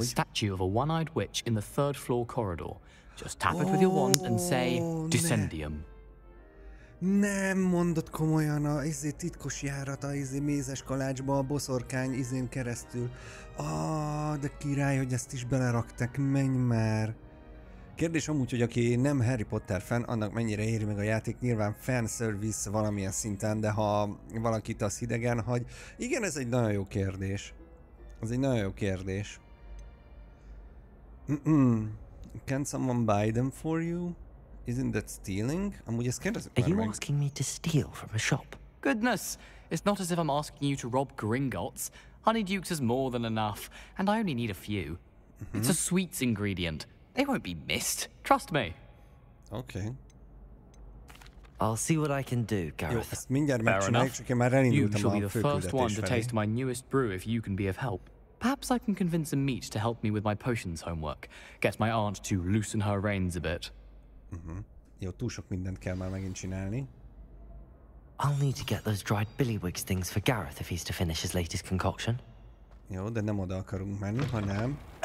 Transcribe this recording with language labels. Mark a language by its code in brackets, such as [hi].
[en] A statue of a one-eyed witch in the third floor corridor. Just tap it with your wand and say Descendium. [hu] Nem mondott komolyan a izé titkos járat a izé mézes kalácsba a boszorkány izén keresztül. De király, hogy ezt is belerakták, menj már. Kérdés amúgy, hogy aki nem Harry Potter fan, annak mennyire éri meg a játék, nyilván fanservice valamilyen szinten, de ha valakit az hidegen hagy. Igen, ez egy nagyon jó kérdés. Ez egy nagyon jó kérdés. [en] Can someone buy them for you? Isn't that stealing? [hu] Amúgy ez kérdezik már meg. [en] Are you asking me to steal from a shop? Goodness! It's not as if I'm asking you to rob Gringotts. Honeydukes is more than enough, and I only need a few. Mm-hmm. It's a sweets ingredient. They won't be missed. Trust me. Okay. I'll see what I can do, Gareth. [hu] Jó, mindjárt megcsináljuk, csak én már elindultam a főküldetés felé. [en] You shall be the first one to taste my newest brew if you can be of help. Perhaps I can convince a meat to help me with my potions homework. Get my aunt to loosen her reins a bit. [hu] Jó, túl sok mindent kell már megint csinálni. [en] I'll need to get those dried billywigs things for Gareth if he's to finish his latest concoction. [hu] Jó, de nem oda akarunk menni, hanem...